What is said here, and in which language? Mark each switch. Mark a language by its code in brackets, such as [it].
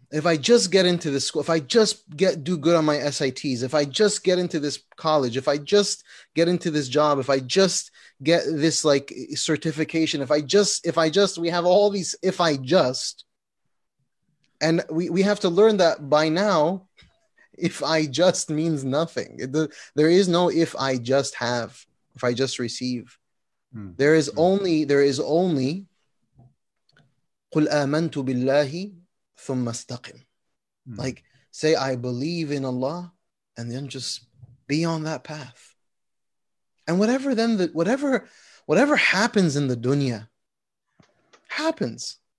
[en] If I just get into this school, if I just get do good on my SATs, if I just get into this college, if I just get into this job, if I just get this, like, certification, if I just, we have all these if I just, and we have to learn that by now, if I just means nothing. There is no if I just have, if I just receive. There is only [ar] قُلْ آمَنْتُ بِاللَّهِ ثُمَّ اسْتَقِمْ. [en] Like, say, I believe in Allah, and then just be on that path. And whatever then, whatever happens in the dunya, happens.